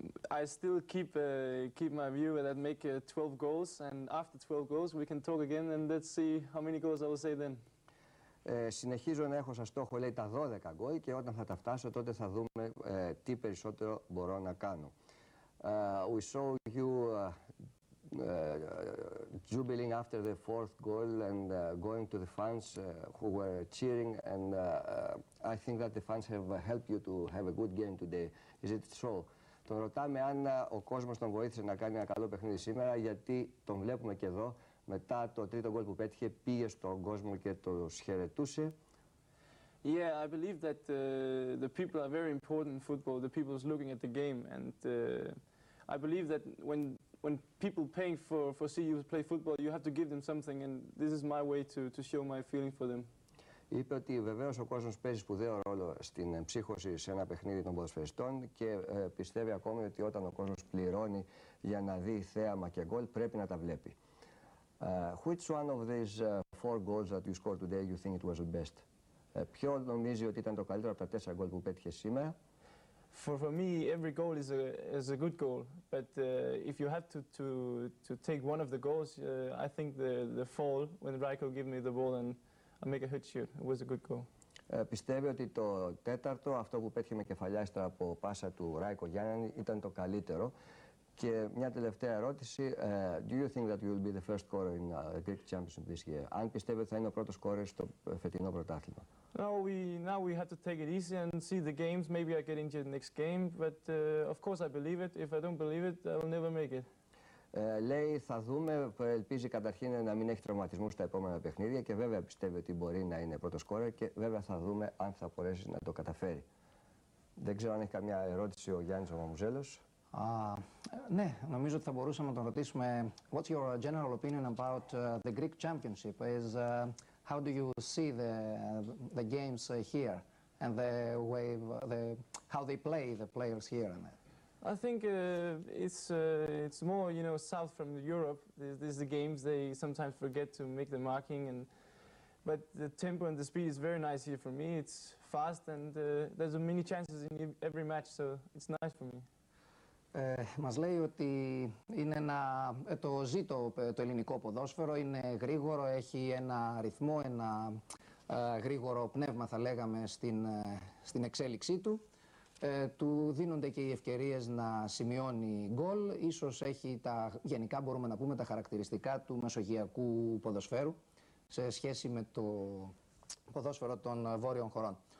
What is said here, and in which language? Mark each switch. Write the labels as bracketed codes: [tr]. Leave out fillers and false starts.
[en] I still keep my view that make 12 goals, and after 12 goals we can talk again and let's see how many goals I will say then. [el] Συνεχίζω να έχω σαν στόχο, λέει, τα 12 γκολ, και όταν θα τα φτάσω τότε θα δούμε τι περισσότερο μπορώ να κάνω. [en] We saw you jubilating after the fourth goal and going to the fans who were cheering, and I think that the fans have helped you to have a good game today. Is it so? [el] Τον ρωτάμε αν ο κόσμος τον βοήθησε να κάνει ένα καλό παιχνίδι σήμερα, γιατί τον βλέπουμε και εδώ. Μετά το τρίτο γκολ που πέτυχε, πήγε στον κόσμο και το χαιρετούσε. [en] Yeah, I believe that the people are very important in football. The people are looking at the game, and I believe that when people paying for see you play football, you have to give them something, and this is my way to show my feeling for them. [el] Είπε ότι βεβαίως ο κόσμος παίζει σπουδαίο ρόλο στην ψύχωση σε ένα παιχνίδι των ποδοσφαιριστών, και πιστεύει ακόμη ότι όταν ο κόσμος πληρώνει για να δει θέαμα και γκολ, πρέπει να τα βλέπει. [en] Which one of these four goals that you scored today you think it was the best? [el] Ποιο νομίζει ότι ήταν το καλύτερο από τα τέσσερα γκολ που πέτυχε σήμερα? [en] For me, every goal is a good goal. But if you have to take one of the goals, I think the fall when Rijko gave me the ball and I make a head shoot, it was a good goal. [el] Πιστεύει ότι το τέταρτο, αυτό που πέτυχε με κεφαλιά ύστερα από πάσα του Rijko Γιάννενη, ήταν το καλύτερο. [en] Και μια τελευταία ερώτηση, do you think that you will be the first scorer in the Greek Championship this year? [el] Αν πιστεύετε θα είναι ο πρώτος scorer στο φετινό πρωτάθλημα? [en] Now we have to take it easy and see the games. Maybe I get injured next game, but of course I believe it. If I don't believe it, I will never make it. [el] Λέει, θα δούμε. Ελπίζει καταρχήν να μην έχει τραυματισμού στα επόμενα παιχνίδια, και βέβαια πιστεύει ότι μπορεί να είναι πρώτος scorer, και βέβαια θα δούμε αν θα μπορέσει να το καταφέρει. Δεν ξέρω αν έχει καμιά ερώτηση ο Γιάννης ο Μαμουζέλος. Ναι, νομίζω ότι θα μπορούσαμε να τον ρωτήσουμε. [en] What's your general opinion about the Greek Championship? Is how do you see the games here and the way how they play the players here? And I think it's more, you know, south from Europe. These the games they sometimes forget to make the marking, and but the tempo and the speed is very nice here for me. It's fast and there's many chances in every match, so it's nice for me. [el] Μας λέει ότι είναι ένα, το ζήτο το ελληνικό ποδόσφαιρο, είναι γρήγορο, έχει ένα ρυθμό, ένα γρήγορο πνεύμα θα λέγαμε στην εξέλιξή του. Του δίνονται και οι ευκαιρίες να σημειώνει γκολ, ίσως έχει τα γενικά μπορούμε να πούμε τα χαρακτηριστικά του μεσογειακού ποδοσφαίρου σε σχέση με το ποδόσφαιρο των βόρειων χωρών.